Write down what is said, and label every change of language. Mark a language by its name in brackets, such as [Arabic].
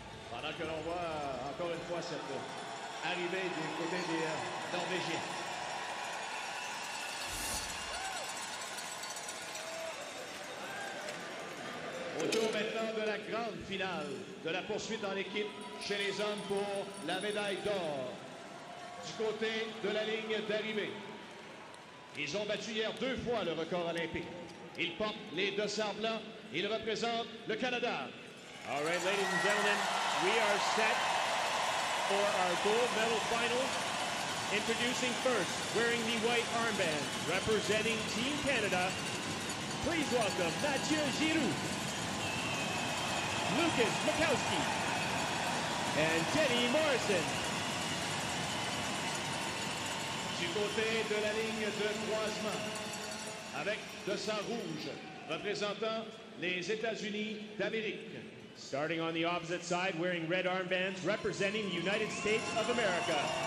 [French] Pendant que l'on voit encore une fois cette arrivée du côté des Norvégiens. Au tour maintenant de la grande finale de la poursuite en équipe chez les hommes pour la médaille d'or. Du côté de la ligne d'arrivée. Ils ont battu hier deux fois le record olympique. Ils portent les dossards blancs. Il représente le Canada. [English] All right, ladies and gentlemen, we are set for our gold medal final. Introducing first, wearing the white armband, representing Team Canada, please welcome Mathieu Giroux, Lucas Makowski, and Jenny Morrison. [French] Du côté de la ligne de croisement, avec de sang rouge, représentant les États-Unis d'Amérique. [English] Starting on the opposite side, wearing red armbands, representing the United States of America.